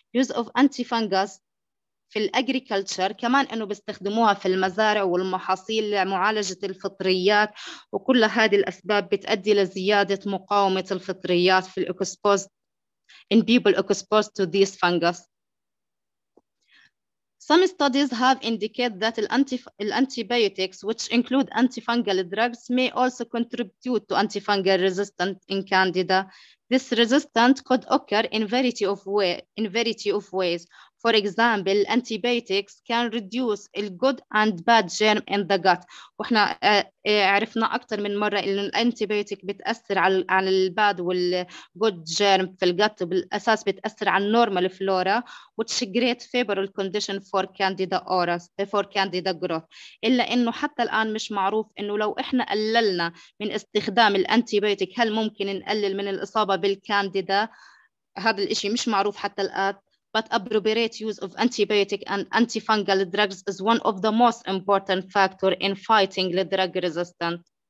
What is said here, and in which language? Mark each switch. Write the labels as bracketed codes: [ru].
[en] Use of antifungals [ar] في الأجريكلتشر كمان إنه بيستخدموها في المزارع والمحاصيل لمعالجة الفطريات, وكل هذه الأسباب بتؤدي لزيادة مقاومة الفطريات في الإكسبوز [en] in people exposed to these fungus. Some studies have indicated that antibiotics, which include antifungal drugs, may also contribute to antifungal resistance in Candida. This resistance could occur in variety of ways. For example, antibiotics can reduce the good and bad germ in the gut. [ar] وإحنا عرفنا أكثر من مرة إنه الأنتيبيوتيك بتأثر على الباد والجود جيرم في الجت, بالأساس بتأثر على النورمال فلورا, [en] which great favorable condition for candida auris, for candida growth. [ar] إلا إنه حتى الآن مش معروف إنه لو إحنا قللنا من استخدام الأنتيبيوتيك هل ممكن نقلل من الإصابة بالكانديدا. هذا الإشي مش معروف حتى الآن. [en] But appropriate use of antibiotic and antifungal drugs is one of the most important factors in fighting the drug resistant.